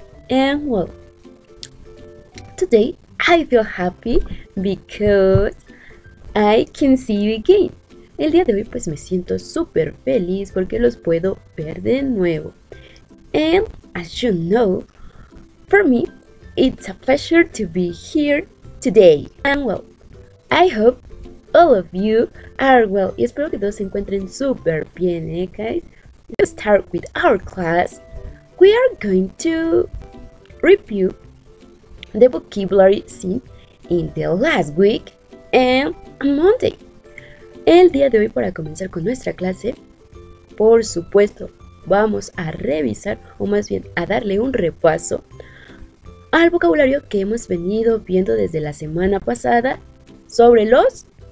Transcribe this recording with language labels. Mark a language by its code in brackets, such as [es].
[en] And well, today I feel happy because I can see you again. [es] El día de hoy, pues me siento súper feliz porque los puedo ver de nuevo. [en] And as you know, for me, it's a pleasure to be here today. And well, I hope all of you are well. [es] Y espero que todos se encuentren súper bien, guys. [en] Let's start with our class. We are going to review the vocabulary seen in the last week and on Monday. [es] El día de hoy, para comenzar con nuestra clase, por supuesto, vamos a revisar, o más bien a darle un repaso al vocabulario que hemos venido viendo desde la semana pasada sobre los.